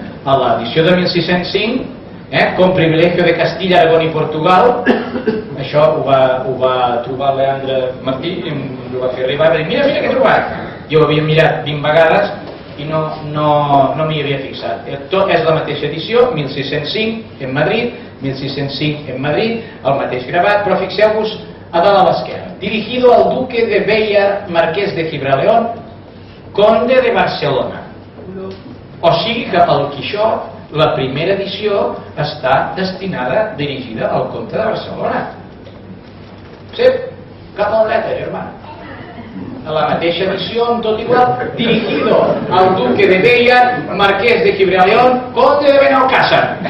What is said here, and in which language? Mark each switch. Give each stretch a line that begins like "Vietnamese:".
Catalan: A l'edició de 1605,
Spanish: com privilegio de Castilla,
Catalan: Aragón i Portugal, això ho va trobar Leandre Martí i ho va fer arribar i va dir, mira què he trobat. Jo ho havia mirat 20 vegades i no m'hi havia fixat. Tot és la mateixa edició, 1605 en Madrid, 1605 en Madrid, el mateix gravat, però fixeu-vos a dalt a l'esquerra.
Spanish: Dirigido al duque de Béjar, marqués de Gibraleón, conde de Barcelona.
Catalan: O sigui que el Quixot, la primera edició, està destinada, dirigida al comte de Barcelona. Sí, cap a la dreta, germà. A la mateixa edició, amb tot igual,
Spanish: dirigido al duque de Béjar, marqués de Gibraleón, conde de Benalcàssar.